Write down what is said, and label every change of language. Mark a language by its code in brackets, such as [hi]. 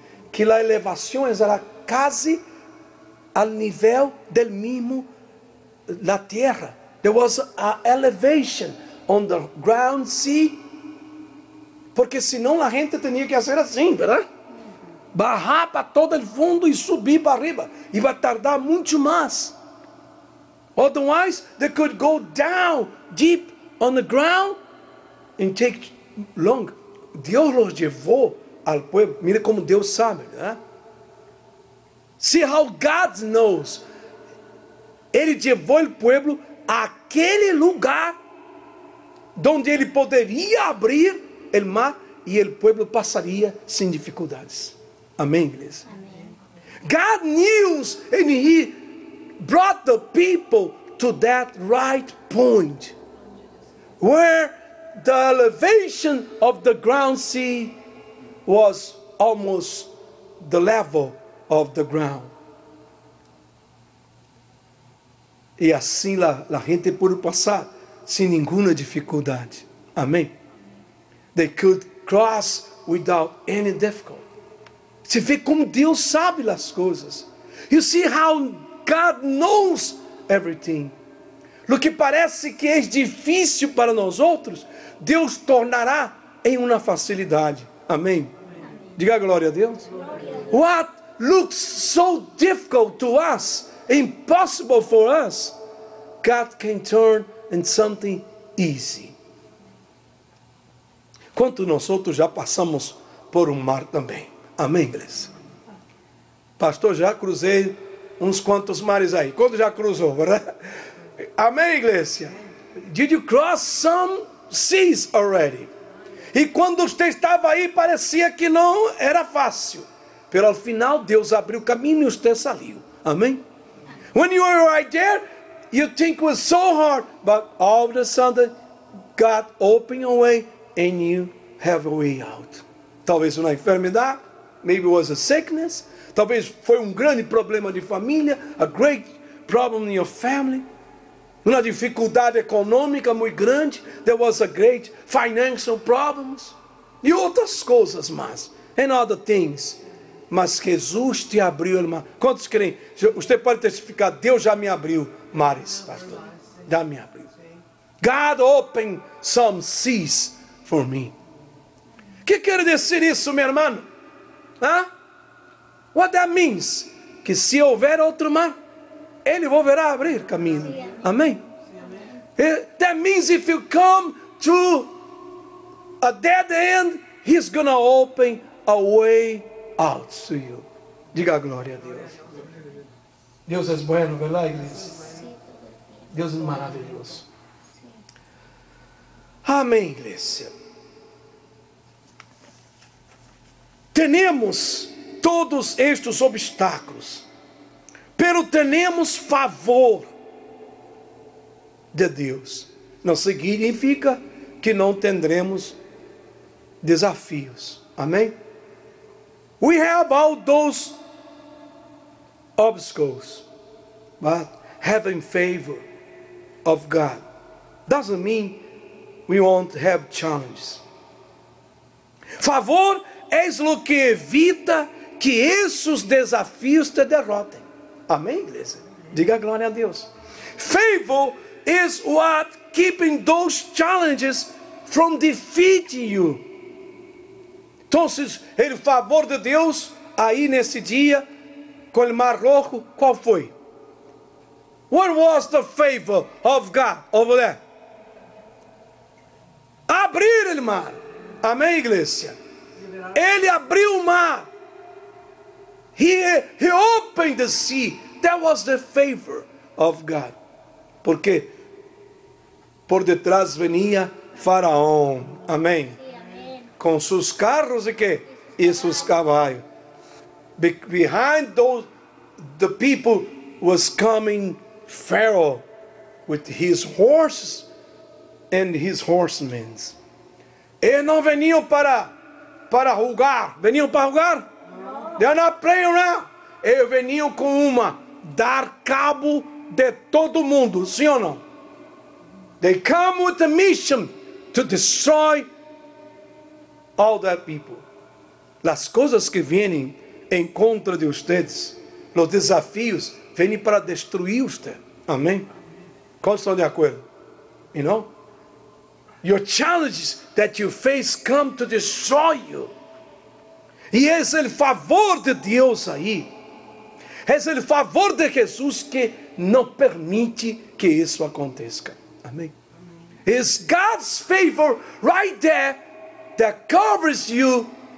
[pt] Que a elevação era quase [es] al nível del mismo [pt] da terra. [en] There was a elevation on the ground sea. [pt] Porque senão a gente tinha que fazer assim, verdade? Barrar para todo o fundo e subir para arriba. E vai tardar muito mais. [en] Otherwise, they could go down deep on the ground and take long. [pt] Deus os levou ao povo. Mira como Deus sabe, né? [en] See how God knows. [pt] Ele levou o povo àquele lugar onde ele poderia abrir o mar e o povo passaria sem dificuldades. Amém, igreja? Amém. [en] God knew and he brought the people to that right point where the elevation of the ground sea was almost the level of the ground. [pt] E assim a gente pôde passar sem nenhuma dificuldade. [en] Amém? They could cross without any difficulty. [pt] Você vê como Deus sabe as coisas. [en] You see how God knows everything. [es] Lo que [pt] parece que é difícil para nós outros, Deus tornará em uma facilidade. [en] Amém? [pt] Diga glória a Deus. [en] What looks so difficult to us, impossible for us, God can turn into something easy. [pt] Quanto nós outros já passamos por um mar também. Amém, igreja? Pastor, já cruzei uns quantos mares aí. Quando já cruzou, verdade? Amém, igreja? [en] Did you cross some seas already? [pt] E quando você estava aí, parecia que não era fácil. Pelo final, Deus abriu o caminho e você saiu. Amém? [en] When you were right there, you think it was so hard, but all of a sudden, God opened a way and you have a way out. [pt] Talvez uma enfermidade, [en] maybe it was a sickness, [pt] talvez foi grande problema de família, [en] a great problem in your family, [pt] uma dificuldade econômica muito grande, [en] there was a great financial problems, [pt] e outras coisas mais, [en] and other things. [pt] Mas Jesus te abriu, irmã. Quantos creem? Você pode testificar, Deus já me abriu, Maris, pastor. Já me abriu. [en] God opened some seas for me. [pt] O que quer dizer isso, meu irmão? [en] What that means? [pt] Que se houver outro mar, ele volverá a abrir caminho. Amém? [en] That means if you come to a dead end, he's going to open a way out to you. [pt] Diga a glória a Deus. Deus é bueno, verdade, igreja? Deus é maravilhoso. Amém, igreja. Temos todos estes obstáculos, pero temos favor de Deus. Não significa que não tendremos desafios. Amém? [en] We have all those obstacles, but having favor of God doesn't mean we won't have challenges. [pt] Favor é o que evita que esses desafios te derrotem. Amém, igreja? Diga glória a Deus. [en] Favor is what keeping those challenges from defeating you. [pt] Então, se é o favor de Deus, aí nesse dia, com o Mar Rojo, qual foi? [en] What was the favor of God over there? [pt] Abrir o mar. Amém, igreja? Ele abriu o mar. [en] He opened the sea. That was the favor of God. [pt] Porque por detrás venia Faraó. Amém. Com seus carros e que? E seus cavalos. [en] Behind those, the people was coming Pharaoh with his horses and his horsemen. [pt] Eles não vinham para jogar. Vinham para jogar? [en] They're not playing around. [pt] Eles vinham com uma: dar cabo de todo mundo. Sim ou não? [en] They come with a mission to destroy all that people. [pt] As coisas que vêm em contra de vocês, os desafios, vêm para destruir você. Amém? Quantos estão de acordo? [en] You know? Your challenges that you face come to destroy you. [pt] E esse é o favor de Deus aí. Esse é o favor de Jesus que não permite que isso aconteça. Amém? [en] It's God's favor right there that covers you.